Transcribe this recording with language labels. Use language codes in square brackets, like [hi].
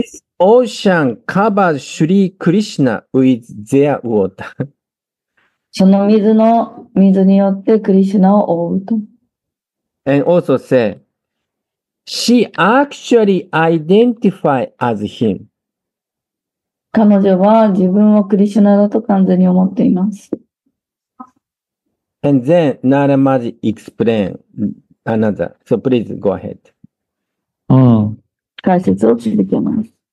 [en] This ocean covers Sri Krishna with their water. [ja] その水の水によってクリシュナを覆うと。 [en] And also say, she actually identifies as him. [ja] 彼女は自分をクリシュナだと完全に思っています。 [en] And then Nara Maharaj explain another. So please go ahead. [ja] 解説を続けます。